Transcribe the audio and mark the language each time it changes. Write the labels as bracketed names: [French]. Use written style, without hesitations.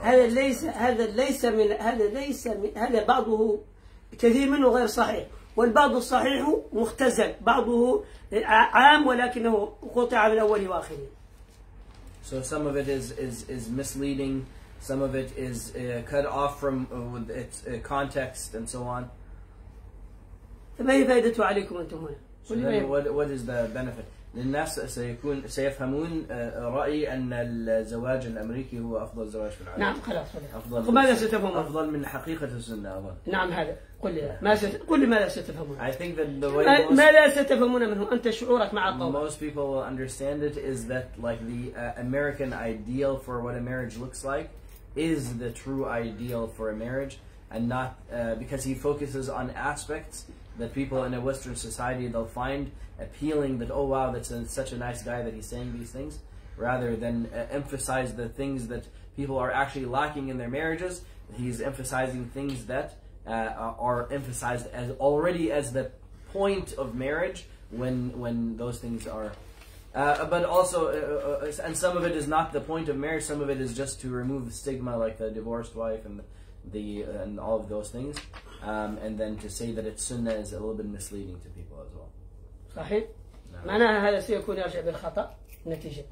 [Arabic] هذا ليس هذا ليس من هذا ليس من هذا بعضه كثير منه غير صحيح والبعض الصحيح مختزل بعضه عام ولكنه قطع من أوله وآخره. [English] So some of it is misleading, some of it is cut off from with its context and so on. [Arabic] فما هي فائدته عليكم أنتم هنا؟ [English] So what is the benefit? [Arabic] للناس سيكون سيفهمون رأي أن الزواج الأمريكي هو أفضل زواج في العالم. نعم خلاص. ماذا ستفهمون؟ أفضل من حقيقة السنة أفضل. نعم هذا. قل لي ماذا ستفهمون؟ [English] I think that the way most [Arabic] ماذا ستفهمون منه؟ أنت شعورك مع القوم. [English] Most people will understand it is that like the American ideal for what a marriage looks like is the true ideal for a marriage and not because he focuses on aspects. That people in a Western society they'll find appealing that oh wow that's such a nice guy that he's saying these things rather than emphasize the things that people are actually lacking in their marriages. He's emphasizing things that are emphasized as already as the point of marriage when those things are. But also and some of it is not the point of marriage. Some of it is just to remove the stigma like the divorced wife and the and all of those things. And then to say that it's sunnah is a little bit misleading to people as well. [Arabic] صحيح. معناها هذا سيكون يرجع بالخطأ النتيجة.